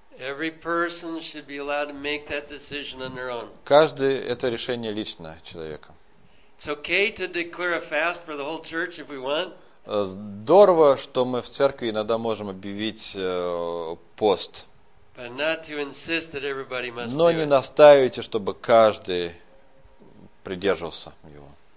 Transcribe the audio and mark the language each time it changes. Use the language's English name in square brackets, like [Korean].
[English] Every person should be allowed to make that decision on their own. [Russian] Каждый это решение лично человека. [English] It's okay to declare a fast for the whole church if we want. [Russian] Здорово, что мы в церкви иногда можем объявить пост. [English] But not to insist that everybody must. [Russian] Но не настаивайте, чтобы каждый придерживался его.